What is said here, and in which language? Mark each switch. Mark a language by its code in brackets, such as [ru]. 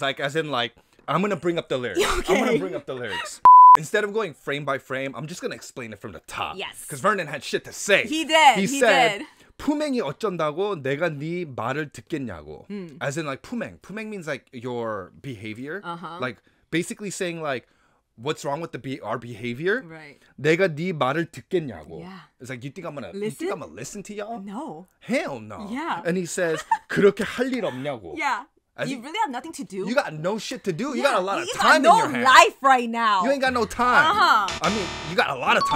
[en] Like, as in, like, I'm going to bring up the lyrics. Okay. I'm going to bring up the lyrics. Instead of going frame by frame, I'm just going to explain it from the top. Yes. Because Vernon had shit to say. He said, [ko] 품행이 어쩐다고 내가 네 말을 듣겠냐고. [en] As in, like, 품행. 품행 means, like, your behavior. Uh-huh. Like, basically saying, like, what's wrong with our behavior? Right. [ko] 내가 네 말을 듣겠냐고. [en] Yeah. It's like, you think I'm gonna listen to y'all? No. Hell no. Yeah. And he says, [ko] 그렇게 할 일 없냐고. [en] Yeah. As you really have nothing to do. You got no shit to do. Yeah. You got no life right now. You ain't got no time. Uh-huh. I mean, you got a lot of time.